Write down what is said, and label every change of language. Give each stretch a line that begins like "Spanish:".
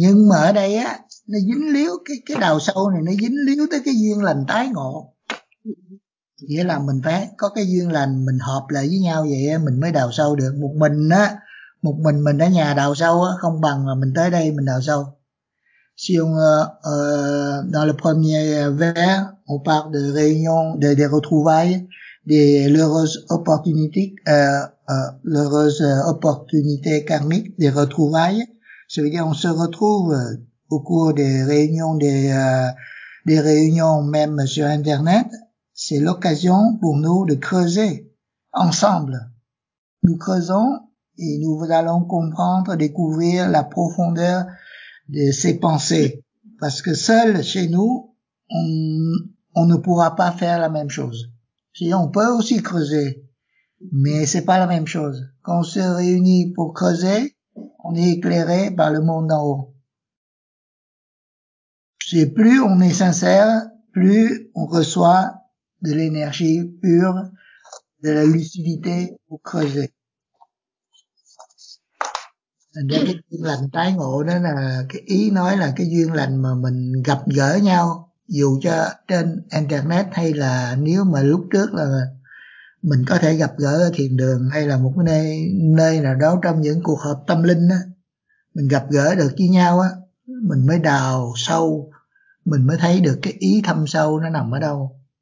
Vietnamese: Nhưng mà ở đây á nó dính líu cái đào sâu này nó dính líu tới cái duyên lành tái ngộ. Nghĩa là mình phải có cái duyên lành, mình hợp lại với nhau vậy mình mới đào sâu được. Một mình mình ở nhà đào sâu không bằng là mình tới đây mình đào sâu.
French: Si on dans le premier vers, on parle de réunion, de retrouvailles, de l'heureuse opportunité, l'heureuse opportunité karmique, de retrouvailles. Ça veut dire on se retrouve au cours des réunions, des réunions même sur Internet. C'est l'occasion pour nous de creuser ensemble. Nous creusons et nous allons comprendre, découvrir la profondeur de ses pensées. Parce que seul, chez nous, on ne pourra pas faire la même chose. On peut aussi creuser, mais c'est pas la même chose. Quand on se réunit pour creuser, on est éclairé par le monde d'en haut. Et plus on est sincère, plus on reçoit de l'énergie pure, de la lucidité pour creuser.
Vietnamese: Cái duyên lành tái ngộ đó là cái ý nói là cái duyên lành mà mình gặp gỡ nhau dù cho trên Internet hay là nếu mà lúc trước là mình có thể gặp gỡ ở thiền đường hay là một nơi nào đó trong những cuộc họp tâm linh á, mình gặp gỡ được với nhau á, mình mới đào sâu, mình mới thấy được cái ý thâm sâu nó nằm ở đâu.